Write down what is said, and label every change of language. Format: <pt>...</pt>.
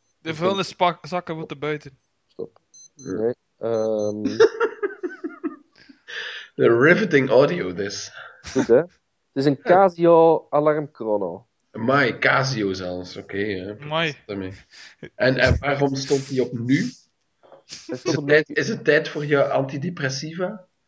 <nl>De vuilniszakken moeten buiten. Stop. Nee.</nl> <en>The riveting audio, this.</en> <nl>Goed, hè? Het is een Casio alarmchrono. Amai, Casio zelfs. Oké, okay, hè. Amai. En waarom stond die op nu? Is het tijd voor je antidepressiva?</nl>